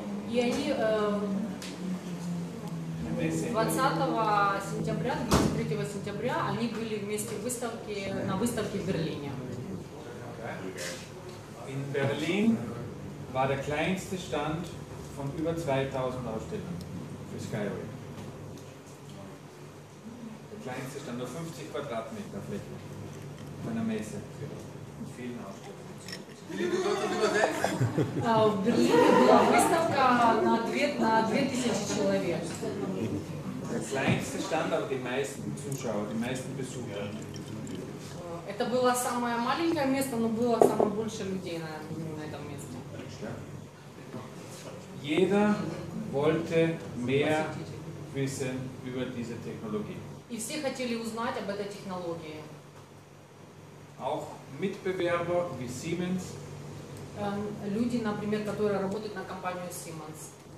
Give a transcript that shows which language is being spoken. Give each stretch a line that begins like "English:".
Russian: И они 20 сентября, 23 сентября, они были вместе выставки, на выставке в Берлине.
German: In Berlin war der kleinste Stand von über 2000 Ausstellern für Skyway. Kleinste Stand auf 50 Quadratmeter Fläche auf einer Messe mit vielen Ausstellungen. Der kleinste Stand, aber die meisten Zuschauer, die meisten Besucher.
Russian: Это было самое маленькое место, но было самое больше людей на этом месте.
German: Jeder wollte mehr wissen über diese Technologie.
Russian: И все хотели узнать об этой технологии.
German: Auch Mitbewerber wie Siemens.
Russian: Люди, например, которые работают на компанию Siemens.